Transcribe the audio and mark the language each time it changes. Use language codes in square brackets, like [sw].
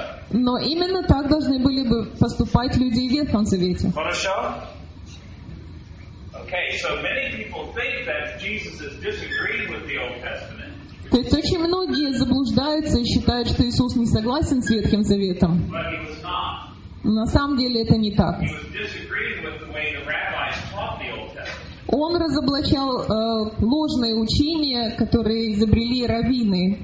[ru] Но именно так должны были бы поступать люди в Ветхом Завете. [en] Okay, so many people think that Jesus is disagreeing with the Old Testament. [ru] То есть очень многие заблуждаются и считают, что Иисус не согласен с Ветхим Заветом. [en] But he was not. [ru] На самом деле это не так. [en] He was disagreeing with the way the rabbis taught the Old Testament. [ru] Он разоблачал ложные учения, которые изобрели раввины,